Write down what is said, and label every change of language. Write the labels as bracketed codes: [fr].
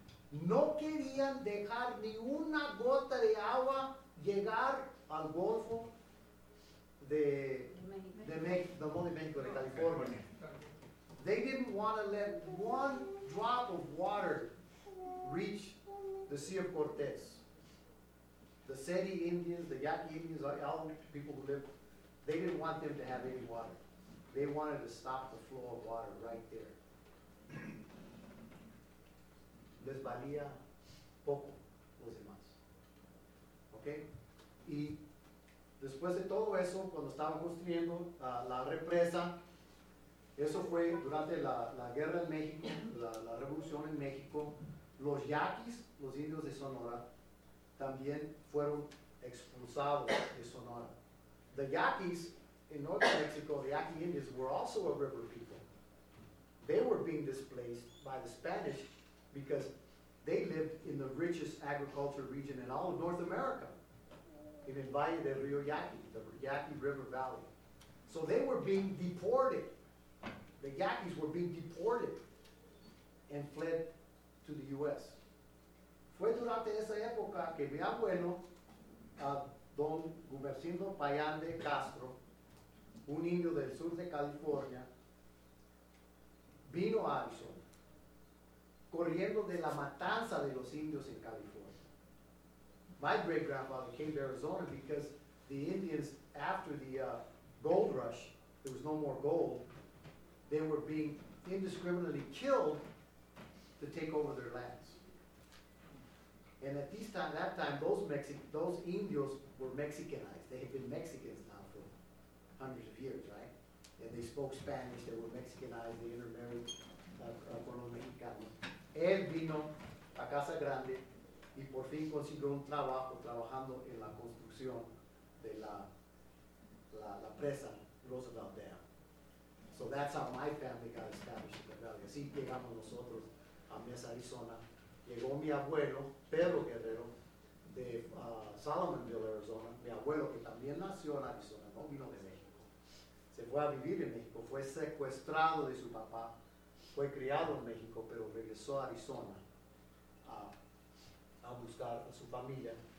[es] No querían dejar ni una gota de agua llegar al Golfo de México, de California. [en] They didn't want to let one drop of water reach the Sea of Cortez. The Seti Indians, the Yaqui Indians, all the people who live, they didn't want them to have any water. They wanted to stop the flow of water right there. [es] Les valía poco los demás. Okay? Y después de todo eso, cuando estaban construyendo la represa, eso fue durante la guerra en México, la revolución en México, los yaquis, los indios de Sonora, también fueron expulsados de Sonora. [en] The Yaquis in northern Mexico, the Yaqui Indians, were also a river people. They were being displaced by the Spanish because they lived in the richest agriculture region in all of North America, in [es] el Valle del Rio Yaqui, [en] the Yaqui River Valley. So they were being deported. The Yaquis were being deported and fled to the U.S. [es] Fue durante esa época que mi abuelo, Don Gumercindo Payán de Castro, un indio del sur de California, vino a Arizona, corriendo de la matanza de los indios en California. [en] My great-grandfather came to Arizona because the Indians, after the gold rush, there was no more gold, they were being indiscriminately killed to take over their lands. And at that time, those indios were Mexicanized. They had been Mexicans now for hundreds of years, right? And they spoke Spanish, they were Mexicanized, they intermarried [es] con los Mexicanos. Él vino a Casa Grande y por fin consiguió un trabajo trabajando en la construcción de la presa Roosevelt Dam. [en] So that's how my family got established in the valley. [es] Así llegamos nosotros a Mesa, Arizona. Llegó mi abuelo, Pedro Guerrero, de Solomonville, Arizona. Mi abuelo, que también nació en Arizona, no vino de México. Se fue a vivir en México. Fue secuestrado de su papá. Fue criado en México, pero regresó a Arizona a buscar a su familia.